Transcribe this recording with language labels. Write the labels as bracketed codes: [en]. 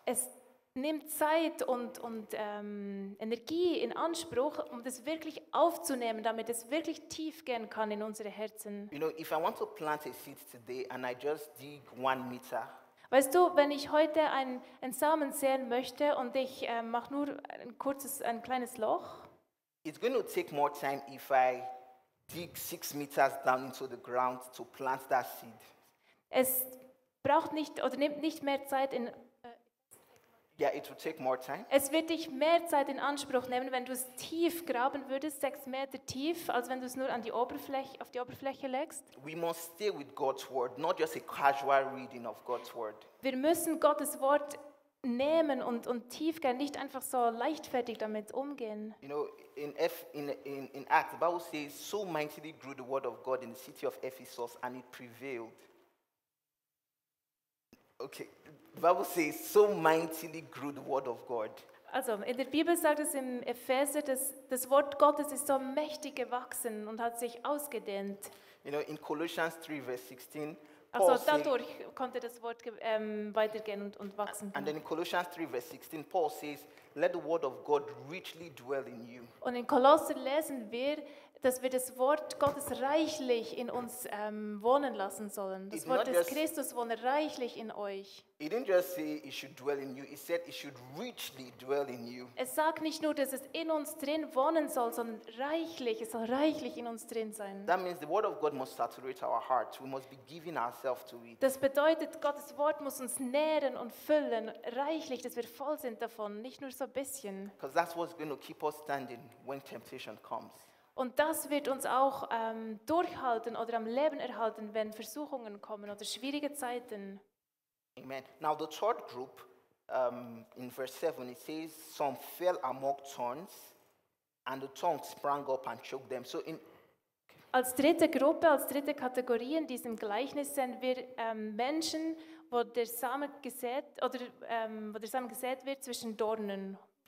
[de] Es nimmt Zeit und Energie in Anspruch, um das wirklich aufzunehmen, damit es wirklich tief gehen kann in unsere Herzen. [en] You know, if I want to plant a seed today and I just dig 1 meter. [de] Weißt du, wenn ich heute einen Samen säen möchte und ich mache nur ein kleines Loch. [en] It's going to take more time if I dig 6 meters down into the ground to plant that seed. [de] Es braucht nicht oder nimmt nicht mehr Zeit in. [en] Yeah, it will take more time. [de] Es wird dich mehr Zeit in Anspruch nehmen, wenn du es tief graben würdest, 6 Meter tief, als wenn du es nur auf die Oberfläche legst. [en] We must stay with God's word, not just a casual reading of God's word. [de] Wir müssen Gottes Wort nehmen und tief gehen, nicht einfach so leichtfertig damit umgehen. [en] You know, in Acts, the Bible says, so mightily grew the word of God in the city of Ephesus, and it prevailed. Okay. The Bible says, so mightily grew the word of God. [de] Also, in der Bibel sagt es in Epheser, dass das Wort Gottes ist so mächtig gewachsen und hat sich ausgedehnt. [en] You know, in Colossians 3, verse 16, [de] also, Paul dadurch say, konnte das Wort weitergehen und wachsen. [en] And then in Colossians 3, verse 16, Paul says, let the word of God richly dwell in you. [de] Und in Kolosser lesen wir, dass wir das Wort Gottes reichlich in uns wohnen lassen sollen. Das Wort des Christus wohne reichlich in euch. [en] It didn't just say it should dwell in you. It said it should richly dwell in you. [de] Es sagt nicht nur, dass es in uns drin wohnen soll, sondern reichlich. Es soll reichlich in uns drin sein. [en] That means the word of God must saturate our hearts. We must be giving ourselves to it. [de] Das bedeutet, Gottes Wort muss uns nähren und füllen reichlich, dass wir voll sind davon, nicht nur so ein bisschen. [en] Because that's what's going to keep us standing when temptation comes. [de] Und das wird uns auch durchhalten oder am Leben erhalten, wenn Versuchungen kommen oder schwierige Zeiten. Amen. [en] Now the third group, in verse 7, it says, some fell among thorns, and the thorns sprang up and choked them. So in [de] als dritte Gruppe, als dritte Kategorie in diesem Gleichnis sehen wir Menschen, wo der Samen gesät wird zwischen Dornen.